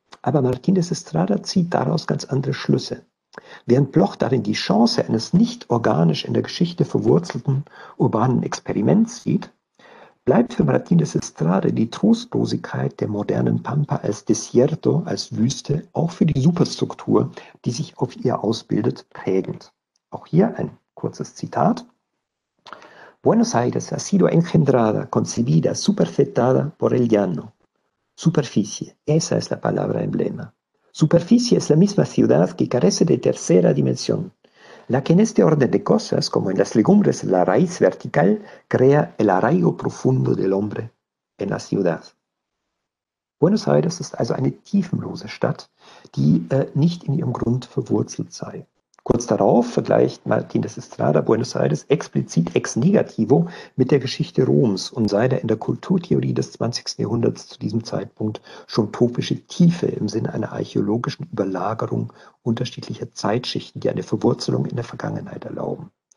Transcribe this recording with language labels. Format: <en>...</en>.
<de>Aber Martínez Estrada zieht daraus ganz andere Schlüsse. Während Bloch darin die Chance eines nicht organisch in der Geschichte verwurzelten urbanen Experiments sieht, bleibt für Martínez Estrada die Trostlosigkeit der modernen Pampa als Desierto, als Wüste, auch für die Superstruktur, die sich auf ihr ausbildet, prägend. Auch hier ein kurzes Zitat:</de> <es>Buenos Aires ha sido engendrada, concebida, superfetada por el llano. Superficie, esa es la palabra emblema. Superficie es la misma ciudad que carece de tercera dimensión, la que en este orden de cosas, como en las legumbres, la raíz vertical crea el arraigo profundo del hombre en la ciudad.</es> <de>Buenos Aires ist also eine tiefenlose Stadt, die nicht in ihrem Grund verwurzelt sei. Kurz darauf vergleicht Martínez Estrada Buenos Aires explizit ex negativo mit der Geschichte Roms und sei da in der Kulturtheorie des 20. Jahrhunderts zu diesem Zeitpunkt schon topische Tiefe im Sinne einer archäologischen Überlagerung unterschiedlicher Zeitschichten, die eine Verwurzelung in der Vergangenheit erlauben.</de>